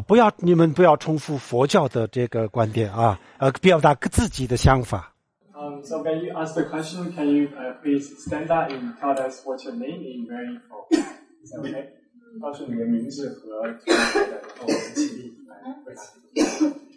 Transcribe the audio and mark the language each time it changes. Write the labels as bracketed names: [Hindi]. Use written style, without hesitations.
[Chinese] 不要你们不要重复佛教的这个观点啊！表达自己的想法。 [English] So when you ask the question, can you please stand up and tell us what your name is very for? Is that okay? [Chinese] 告诉你的名字和我们起立来